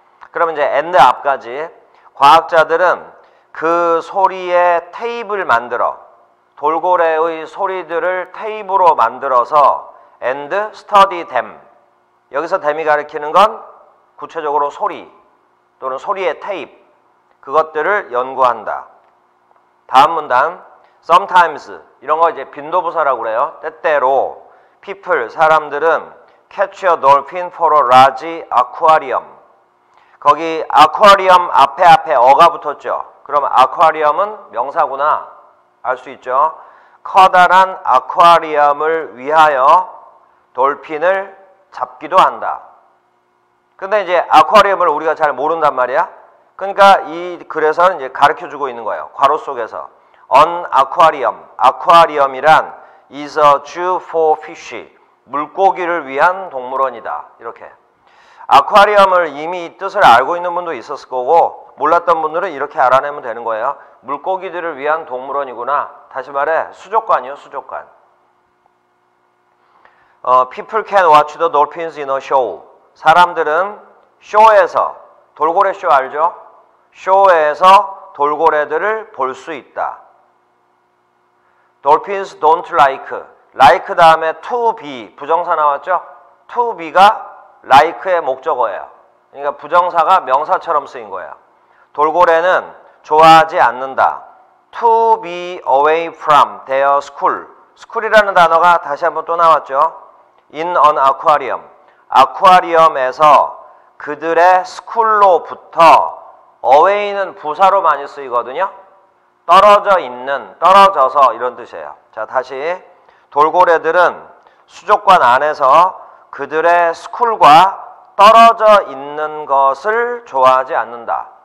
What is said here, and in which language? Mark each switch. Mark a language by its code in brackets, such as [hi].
[ko] 그러면 이제 and 앞까지 과학자들은 그 소리의 테이프를 만들어 돌고래의 소리들을 테이프로 만들어서 [en] and study them. [ko] 여기서 them이 가리키는 건 구체적으로 소리 또는 소리의 테이프 그것들을 연구한다. 다음 문단 sometimes 이런 거 이제 빈도부사라고 그래요. 때때로 [en] people [ko] 사람들은 [en] catch a dolphin for a large aquarium. [ko] 거기 aquarium 앞에 어가 붙었죠. 그럼 aquarium은 명사구나 알 수 있죠. 커다란 aquarium을 위하여 돌핀을 잡기도 한다. 근데 이제 아쿠아리움을 우리가 잘 모른단 말이야. 그러니까 이 글에서는 이제 가르쳐주고 있는 거예요. 괄호 속에서. [en] An aquarium. aquarium이란 is a zoo for fish. [ko] 물고기를 위한 동물원이다. 이렇게. 아쿠아리움을 이미 뜻을 알고 있는 분도 있었을 거고 몰랐던 분들은 이렇게 알아내면 되는 거예요. 물고기들을 위한 동물원이구나. 다시 말해 수족관이요. 수족관. [en] People can watch the dolphins in a show. [ko] 사람들은 쇼에서 돌고래 쇼 알죠? 쇼에서 돌고래들을 볼 수 있다. [en] Dolphins don't like. [ko] Like 다음에 to be 부정사 나왔죠? To be가 like의 목적어예요. 그러니까 부정사가 명사처럼 쓰인 거예요. 돌고래는 좋아하지 않는다. [en] To be away from their school. [ko] School이라는 단어가 다시 한번 또 나왔죠? [en] In an aquarium. [ko] 아쿠아리움에서 그들의 스쿨로부터 away는 부사로 많이 쓰이거든요. 떨어져 있는, 떨어져서 이런 뜻이에요. 자, 다시 돌고래들은 수족관 안에서 그들의 스쿨과 떨어져 있는 것을 좋아하지 않는다.